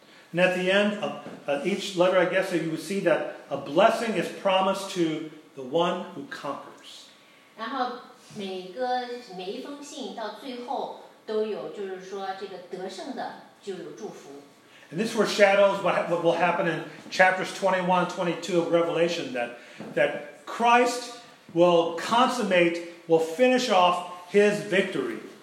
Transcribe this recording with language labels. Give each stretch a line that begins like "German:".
English: And at the end of each letter, I guess, you would see that a blessing is promised to the one who conquers.
Chinese: 然后每一封信到最后都有，就是说这个得胜的就有祝福。
English: And this foreshadows what will happen in chapters 21 and 22 of Revelation, that Christ will consummate, will finish off his victory.